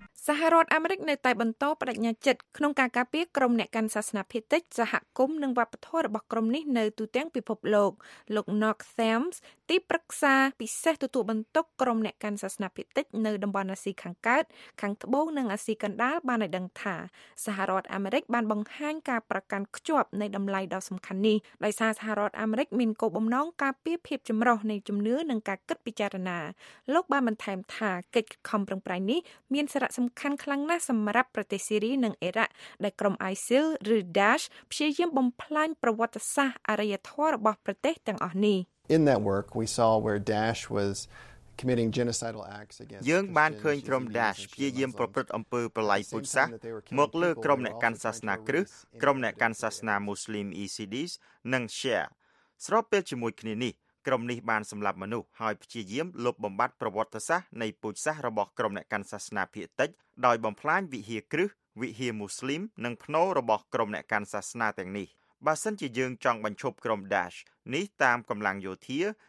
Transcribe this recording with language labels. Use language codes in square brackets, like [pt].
[km] សហរដ្ឋអាមេរិកនៅតែបន្តបដិញ្ញាចិត្តក្នុងការការពារក្រុមអ្នកកាន់សាសនាភេទិចសហគមន៍និងវប្បធម៌របស់ក្រុមនេះនៅទូទាំងពិភពលោកលោក Knox Sams ទីប្រឹក្សាពិសេសទទួលបន្ទុកក្រុមអ្នកកាន់សាសនាភេទិចនៅតំបន់អាស៊ីខាងកើតខាងត្បូងនិងអាស៊ីកណ្ដាលបានឲ្យដឹងថាសហរដ្ឋអាមេរិកបានបង្ហាញការប្រកាន់ខ្ជាប់នៃតម្លៃដ៏សំខាន់នេះដោយសារសហរដ្ឋអាមេរិកមានគោលបំណងការពារភាពចម្រុះនៃជំនឿនិងការគិតពិចារណា លោកបានបន្ថែមថាកិច្ចខំប្រឹងប្រែងនេះមានសារៈសំខាន់ខ្លាំងណាស់សម្រាប់ប្រទេសស៊ីរីនិងអ៊ីរ៉ាក់ដែលក្រុម ISIL ឬ Daesh ព្យាយាមបំផ្លាញប្រវត្តិសាស្ត្រអារ្យធម៌របស់ប្រទេសទាំងអស់នេះ [en] In that work we saw where Daesh was committing genocidal acts against [km] យើងបានឃើញក្រុម Daesh ព្យាយាមប្រព្រឹត្តអំពើប្រល័យពូជសាសន៍មកលើក្រុមអ្នកកាន់សាសនាគ្រឹះក្រុមអ្នកកាន់សាសនាមូស្លីម ISIS និង Shia ស្របពេលជាមួយគ្នានេះក្រុមនេះបានសម្លាប់មនុស្សហើយព្យាយាមលុបបំបាត់ប្រវត្តិសាស្ត្រនៃពូជសាសន៍របស់ក្រុមអ្នកកាន់សាសនាភៀតិចដោយបំផ្លាញវិហារគ្រឹះវិហារមូស្លីមនិងភ្នូរបស់ក្រុមអ្នកកាន់សាសនាទាំងនេះបើសិនជាយើងចង់បញ្ឈប់ក្រុម Daesh នេះតាមកម្លាំងយោធា